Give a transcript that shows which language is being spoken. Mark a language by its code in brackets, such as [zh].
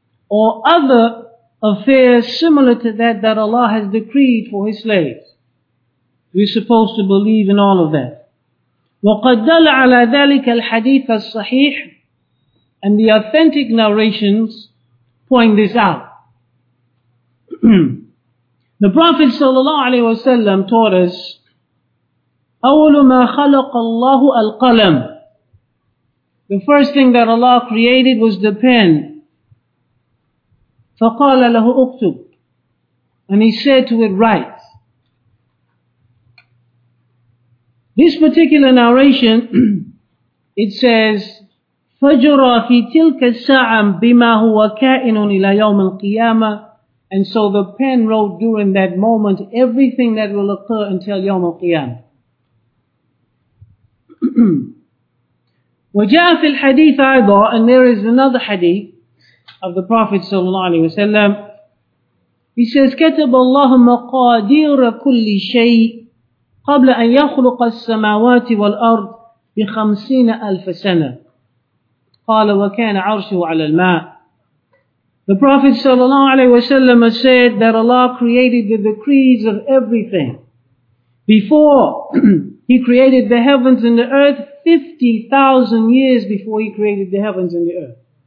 [en] Or other affairs similar to that Allah has decreed for His slaves. We're supposed to believe in all of that. [ar] وَقَدْ دَلَ عَلَىٰ ذَلِكَ الْحَدِيثَ الصَّحِيحِ. [en] And the authentic narrations point this out. The Prophet ﷺ taught us, [ar] أول ما خلق الله القلم. [en] The first thing that Allah created was the pen. [ar] فَقَالَ لَهُ أُكْتُبْ. [en] And He said to it, write. This particular narration, it says, [ar] فَجُرَى فِي تِلْكَ السَّعَمْ بِمَا هُوَ كَائِنٌ إِلَى يَوْمِ الْقِيَامَةِ. [en] And so the pen wrote during that moment everything that will occur until يوم القيامة. [ar] وَجَاءَ فِي الْحَدِيثِ أَيْضًا. [en] And there is another hadith of the Prophet صلى الله عليه وسلم. He says, [ar] كَتَبَ اللَّهُ مَقَادِيرَ كُلِّ شَيْءٍ قَبْلَ أَن يَخْلُقَ السَّمَاوَاتِ وَالْأَرْضِ بِخَمْسِينَ أَلْفَ سَنَةٍ. قَالَ وَكَانَ عَرْشُهُ عَلَى الْمَاءِ. [en] The Prophet ﷺ said that Allah created the decrees of everything. Before He created the heavens and the earth, 50,000 years before He created the heavens and the earth.